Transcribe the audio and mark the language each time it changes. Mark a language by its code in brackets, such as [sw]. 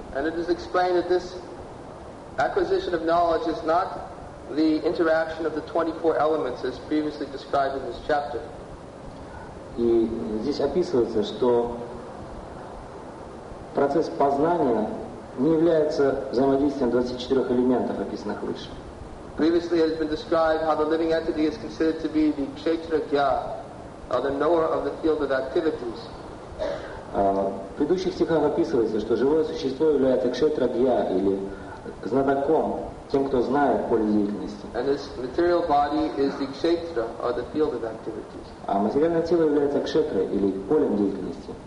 [en] And it is explained that this acquisition of knowledge is not the interaction of the 24 elements as previously described in this chapter. [ru] И здесь описывается, что процесс познания не является взаимодействием 24 элементов, описанных выше. [en] Previously it has been described how the living entity is considered to be the Kshetra-gya, or the knower of the field of activities. [ru] В предыдущих стихах описывается, что живое существо является Кшетра-гья, или знатоком, тем, кто знает поле деятельности. [en] And this material body is the Kshetra, or the field of activities. [ru] А материальное тело является Кшетра, или полем деятельности.